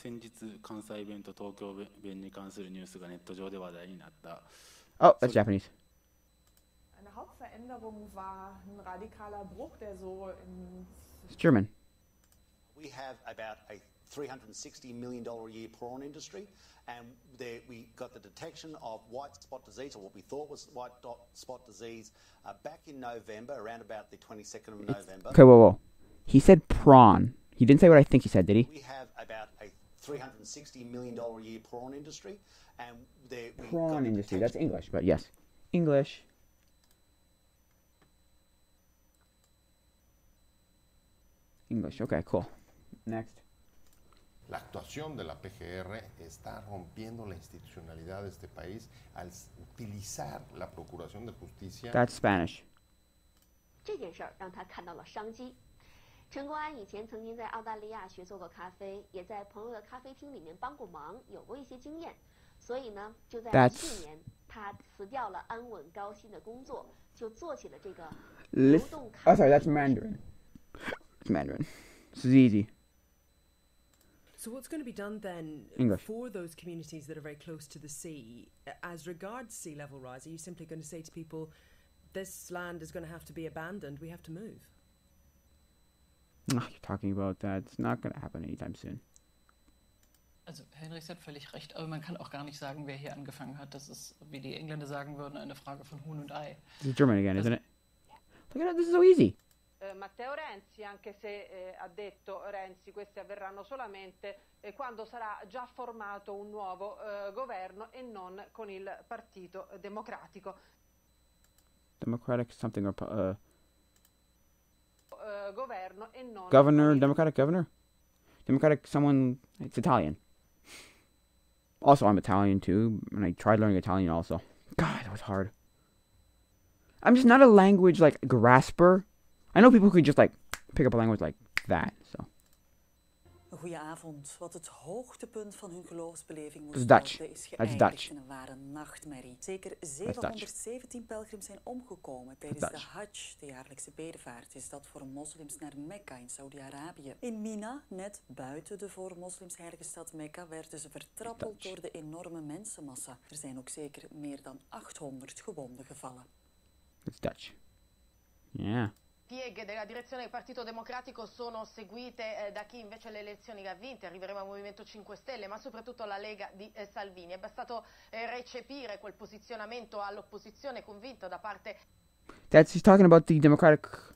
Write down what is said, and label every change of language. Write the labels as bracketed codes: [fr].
[ja] 先日関西弁と東京弁に関するニュースがネット上で話題になった。 [en] Oh, that's Japanese. [de] Eine Hauptveränderung war ein radikaler Bruch, der so in [en] It's German. We have about a $360 million a year prawn industry, and there we got the detection of white spot disease, or what we thought was white dot spot disease, back in November, around about the 22nd of November. Okay, whoa. He said prawn. He didn't say what I think he said, did he? We have about a $360 million a year prawn industry, and they prawn industry, that's English, but yes. English. English, okay, cool. Next. [es] La actuación de la PGR está rompiendo la institucionalidad de este país al utilizar la Procuración de Justicia. [en] That's Spanish. [zh] 这件事让他看到了商机。陈国安以前曾经在澳大利亚学做过咖啡，也在朋友的咖啡厅里面帮过忙，有过一些经验。所以呢，就在去年，他辞掉了安稳高薪的工作，就做起了这个流动咖啡。 [en] That's Mandarin. Mandarin. This is easy. So what's going to be done then English. For those communities that are very close to the sea, as regards sea level rise, are you simply going to say to people, this land is going to have to be abandoned, we have to move? Ach, you're talking about that. It's not going to happen anytime soon. [de] Also, Heinrich hat völlig recht, aber man kann auch gar nicht sagen, wer hier angefangen hat. Das ist, wie die Engländer sagen würden, eine Frage von Huhn und Ei. [en] This is German again, isn't it? Look at that, this is so easy. [it] Matteo Renzi, anche se ha detto Renzi, queste avverranno solamente quando sarà già formato un nuovo governo e non con il Partito Democratico. [en] Democratic something or... [it] governo e non [en] governor, democratic governor? Democratic someone, it's Italian. Also, I'm Italian too, and I tried learning Italian also. God, that was hard. I'm just not a language, like, grasper. I know people who can just, like, pick up a language like that, so. [nl] Goedenavond. Wat het hoogtepunt van hun geloofsbeleving moest worden, is geëindigd in een ware nachtmerrie. Zeker 717 pelgrims zijn omgekomen tijdens de Hajj, de jaarlijkse bedevaart. Is dat voor moslims naar Mekka in Saudi-Arabië? In Mina, net buiten de voor moslims heilige stad Mekka, werden ze vertrappeld door de enorme mensenmassa. Er zijn ook zeker meer dan 800 gewonden gevallen. Dat is Dutch. [en] Yeah. [it] Pieghe della direzione del Partito Democratico sono seguite da chi invece le elezioni ha vinte, arriveremo al Movimento 5 Stelle, ma soprattutto alla Lega di Salvini. È bastato recepire quel posizionamento all'opposizione convinta da parte... [en] That she's talking about the Democratic...